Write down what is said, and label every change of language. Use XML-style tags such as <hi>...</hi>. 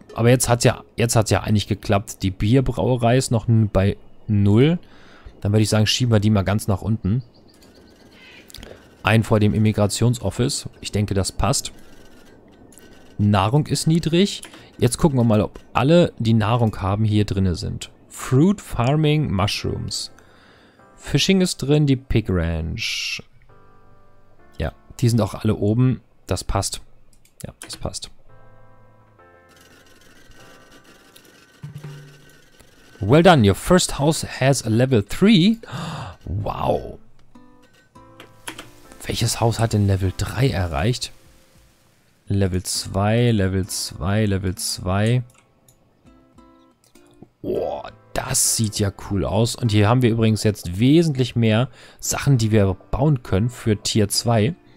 <de>Aber jetzt hat's ja eigentlich geklappt. Die Bierbrauerei ist noch bei 0. Dann würde ich sagen, schieben wir die mal ganz nach unten. Ein vor dem Immigrationsoffice. Ich denke, das passt. Nahrung ist niedrig. Jetzt gucken wir mal, ob alle, die Nahrung haben, hier drin sind.</de> <en>Fruit Farming Mushrooms.</en> <de>Fishing ist drin, die Pig Ranch. Ja, die sind auch alle oben. Das passt. Ja, das passt.</de> <en>Well done, your first house has a level 3. Wow.</en> <de>Welches Haus hat denn Level 3 erreicht? Level 2, Level 2, Level 2. Boah, das sieht ja cool aus. Und hier haben wir übrigens jetzt wesentlich mehr Sachen, die wir bauen können für Tier 2.</de>